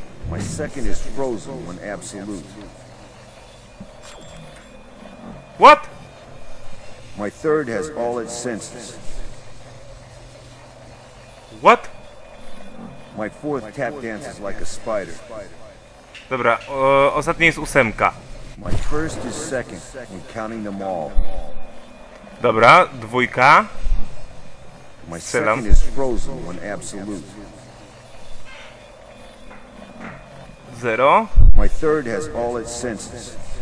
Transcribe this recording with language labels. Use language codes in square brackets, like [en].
[en] My second is frozen when absolute. What? My third has all its senses. What? My fourth tap dances like a spider. [pl] Dobra, ostatni jest ósemka. [en] My first is second, and counting them all. [pl] Dobra, dwójka. [en] My second is frozen when absolute. Zero. My third has all its senses.